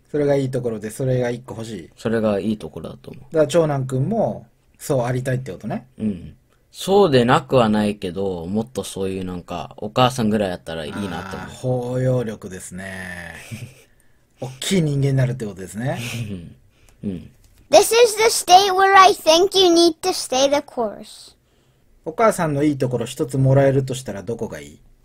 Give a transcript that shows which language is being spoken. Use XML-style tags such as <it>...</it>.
<ja>それがいいところで、それが一個欲しい。それがいいところだと思う。だから長男くんも、そうありたいってことね。うん。そうでなくはないけど、もっとそういうなんか、お母さんぐらいやったらいいなって思う。包容力ですね。大きい人間になるってことですね。うん。</ja> <en>This is the state where I think you need to stay the course.</en> <ja>お母さんのいいところ一つもらえるとしたらどこがいい？</ja>